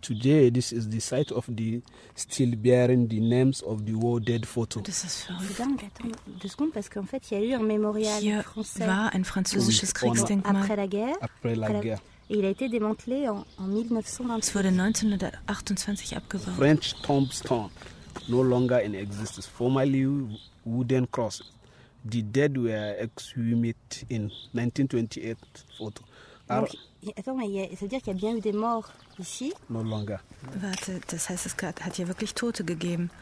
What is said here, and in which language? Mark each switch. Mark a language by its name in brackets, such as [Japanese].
[English] Today, this is the site of the still bearing the names of the war dead photo. [German] Das ist verrückt. [French] Dingue, attends, deux secondes, parce qu'en fait, il y a eu un mémorial hier français. [German] Hier war ein französisches Kriegsdenkmal. [French] Après la guerre. Après la guerre. Et il a été démantelé en 1928. [German] Es wurde 1928 abgebaut. [English] French tombstone, no longer in existence. Formerly wooden cross. The dead were exhumed in 1928 photo. [French] Donc, attends, mais ça veut dire qu'il y a bien eu des morts ici? [English] No longer. [German] Warte, das heißt, es hat hier wirklich Tote gegeben.